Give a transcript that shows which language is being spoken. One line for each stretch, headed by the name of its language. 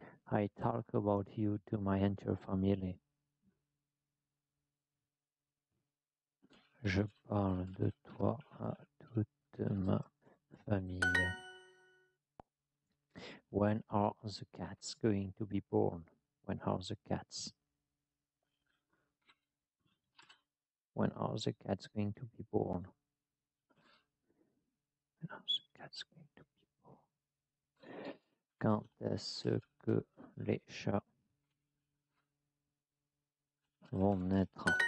English: I talk about you to my entire family.
French: Je parle de toi à toute ma famille.
English: When are the cats going to be born?
French: Quand est-ce que les chats vont naître?